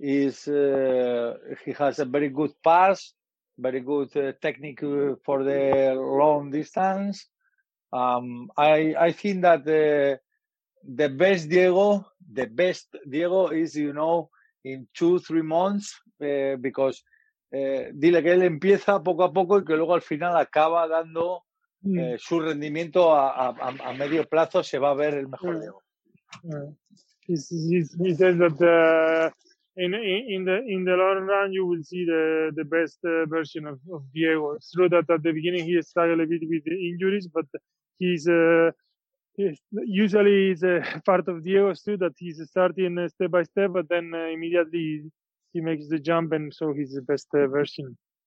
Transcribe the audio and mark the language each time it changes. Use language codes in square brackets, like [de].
[en] He has a very good pass, very good technique for the long distance. I think that the best Diego is, you know, in 2-3 months because. [es] Dile que él empieza poco a poco y que luego al final acaba dando su rendimiento a medio plazo, se va a ver el mejor Diego. [en] He says that in the long run you will see the best version of Diego. It's true that at the beginning he struggled a bit with the injuries, but he's usually part of Diego too, that he's starting step by step, but then immediately he makes the jump, and so he's the best version.